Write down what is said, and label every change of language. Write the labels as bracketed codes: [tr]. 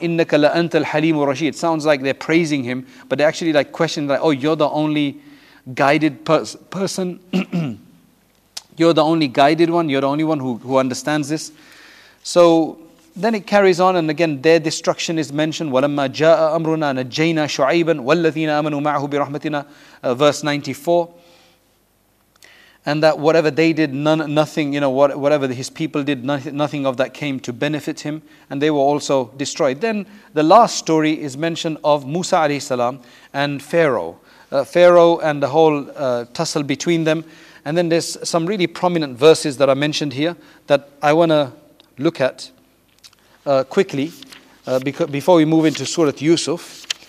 [ar] إِنَّكَ لَأَنْتَ الْحَلِيمُ الرَّشِيدُ. [en] It sounds like they're praising him, but they're actually like questioning, like, "Oh, you're the only guided person. You're the only guided one. You're the only one who understands this." So then it carries on, and again, their destruction is mentioned. [ar] وَلَمَّا جَاءَ أَمْرُنَا نَجَّيْنَا شُعَيْبًا وَالَّذِينَ آمَنُوا مَعَهُ بِرَحْمَتِنَا, [en] verse 94. And that whatever they did, whatever his people did, nothing of that came to benefit him. And they were also destroyed. Then the last story is mentioned of Musa alayhi salam and Pharaoh. Pharaoh and the whole tussle between them. And then there's some really prominent verses that are mentioned here that I want to look at quickly before we move into Surah Yusuf.